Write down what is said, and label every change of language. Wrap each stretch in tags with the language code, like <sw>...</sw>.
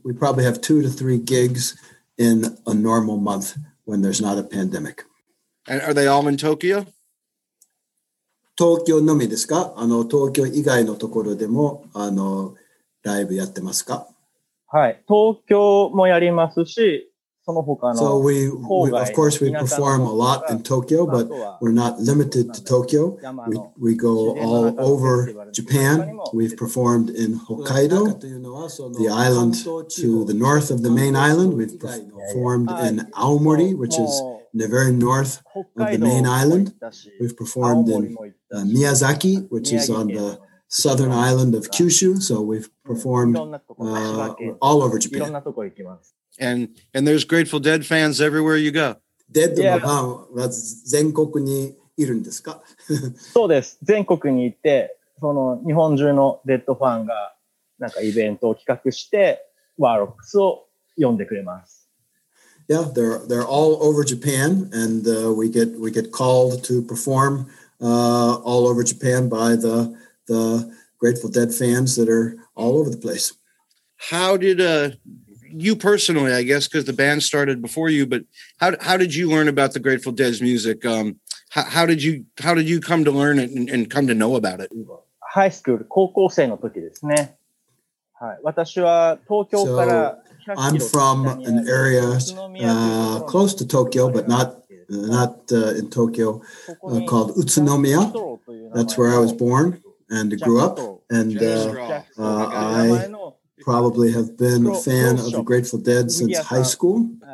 <en>We probably have 2 to 3 gigs in a normal month when there's not a pandemic. And are they all in Tokyo?</en> <ja>Tokyo のみですか?Tokyo 以外のところでもライブやってますか? はい。東京もやりますし、その他の郊外、田舎のところとか。</ja> <en>So we, of course, we perform a lot in Tokyo, but we're not limited to Tokyo. We go all over Japan. We've performed in Hokkaido, the island to the north of the main island. We've performed in Aomori, which is in the very north of the main island. We've performed in Miyazaki, which is on the southern island of Kyushu. So we've performed all over Japan. And there's Grateful Dead fans everywhere you go.</en> <ja>Dead のファンは全国にいるんですか? そうです。全国に行って、その日本中の Dead ファンがなんかイベントを企画して、Warlocks を呼んでくれます。</ja> <en>Yeah, they're all over Japan, and we get called to perform all over Japan by the Grateful Dead fans that are all over the place. How did you personally, I guess, because the band started before you, but how did you learn about the Grateful Dead's music? How did you come to learn it and come to know about it?</en> <ja>High school, 高校生の時ですね。はい、私は東京から。</ja> <en>I'm from an area close to Tokyo, but not in Tokyo, called Utsunomiya. That's where I was born and grew up. And I probably have been a fan of the Grateful Dead since high school.</en>